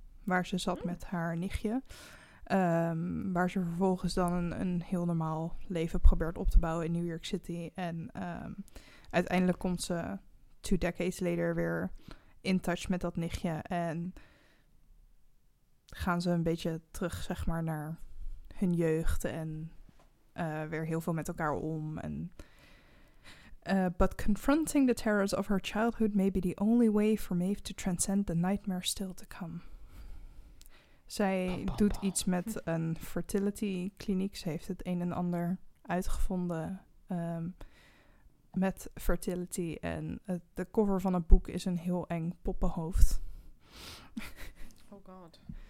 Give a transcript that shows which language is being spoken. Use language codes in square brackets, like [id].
[nl] Waar ze zat met haar nichtje. Waar ze vervolgens dan een heel normaal leven probeert op te bouwen in New York City. En uiteindelijk komt ze 2 [en] decades later [nl] weer in touch met dat nichtje. En... gaan ze een beetje terug, zeg maar, naar hun jeugd en weer heel veel met elkaar om. [en] En, but confronting the terrors of her childhood may be the only way for Maeve to transcend the nightmare still to come. [nl] Zij doet iets met een fertility kliniek. Ze heeft het een en ander uitgevonden met fertility. En de cover van het boek is een heel eng poppenhoofd. Oh god.